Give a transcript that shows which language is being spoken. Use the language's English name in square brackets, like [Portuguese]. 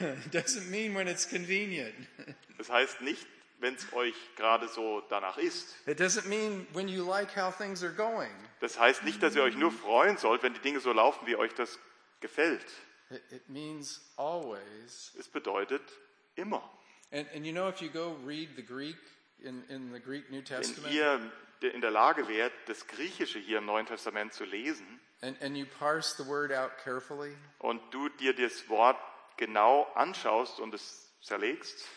[English] Doesn't mean when it's convenient. [German] Das heißt nicht, wenn es euch gerade so danach ist. [English] It doesn't mean when you like how things are going. [German] Das heißt nicht, dass ihr euch nur freuen sollt, wenn die Dinge so laufen, wie euch das gefällt. [English] It means always. [German] Es bedeutet immer. [English] And you know, if you go read the Greek in the Greek New Testament. [German] Wenn ihr in der Lage wärt, das Griechische hier im Neuen Testament zu lesen. [English] And you parse the word out carefully. [German] Und du dir das Wort genau anschaust und es zerlegst.